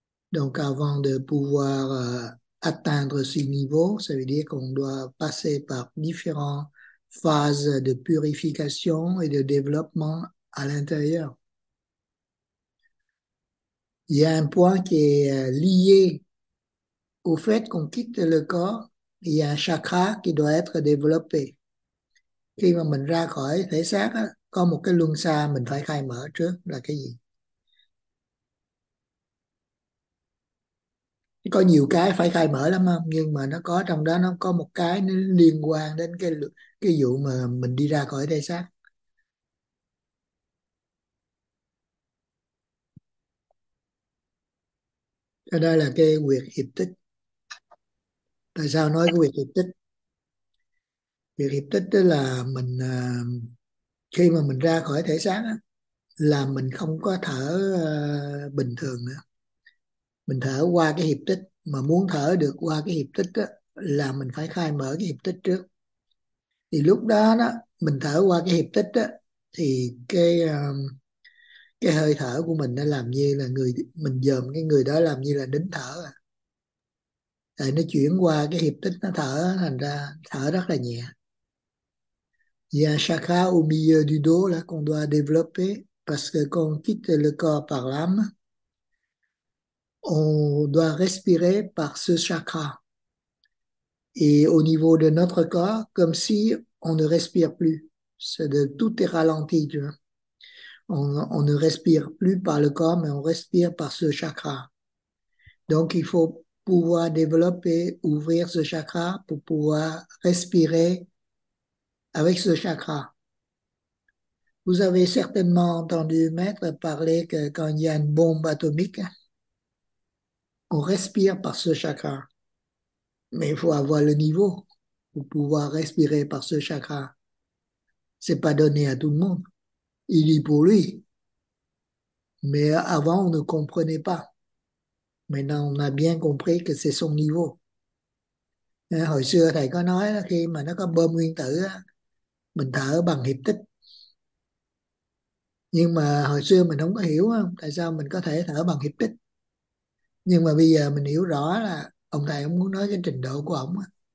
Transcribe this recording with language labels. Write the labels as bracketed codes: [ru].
[fr] Donc avant de pouvoir atteindre ce niveau, ça veut dire qu'on doit passer par différentes phases de purification et de développement à l'intérieur. Il y a un point qui est lié au fait qu'on quitte le corps, il y a un chakra qui doit être développé. [vi] Khi mà mình ra khỏi thể xác á, có một cái luân xa mình phải khai mở trước là cái gì? Có nhiều cái phải khai mở lắm không? Nhưng mà nó có trong đó nó có một cái nó liên quan đến cái vụ mà mình đi ra khỏi thể xác. Cái đó là cái quyệt hiệp tích. Tại sao nói cái quyệt hiệp tích? Việc hiệp tích tức là mình khi mà mình ra khỏi thể xác là mình không có thở bình thường nữa, mình thở qua cái hiệp tích. Mà muốn thở được qua cái hiệp tích là mình phải khai mở cái hiệp tích trước, thì lúc đó đó mình thở qua cái hiệp tích thì cái hơi thở của mình nó làm như là người mình dòm cái người đó làm như là đứng thở, tại nó chuyển qua cái hiệp tích nó thở, thành ra thở rất là nhẹ. [fr] Il y a un chakra au milieu du dos là qu'on doit développer parce que quand on quitte le corps par l'âme, on doit respirer par ce chakra. Et au niveau de notre corps, comme si on ne respire plus, tout est ralenti. Tu vois? On ne respire plus par le corps, mais on respire par ce chakra. Donc, il faut pouvoir développer, ouvrir ce chakra pour pouvoir respirer avec ce chakra. Vous avez certainement entendu Maître parler que quand il y a une bombe atomique, on respire par ce chakra. Mais il faut avoir le niveau pour pouvoir respirer par ce chakra. C'est pas donné à tout le monde. Il dit pour lui. Mais avant, on ne comprenait pas. Maintenant, on a bien compris que c'est son niveau. [vi] Et hồi xưa, thầy có nói là khi mà nó có bom nguyên tử á, mình thở bằng hiệp tích. Nhưng mà hồi xưa mình không có hiểu không? Tại sao mình có thể thở bằng hiệp tích. Nhưng mà bây giờ mình hiểu rõ là ông thầy ông muốn nói cái trình độ của ông á.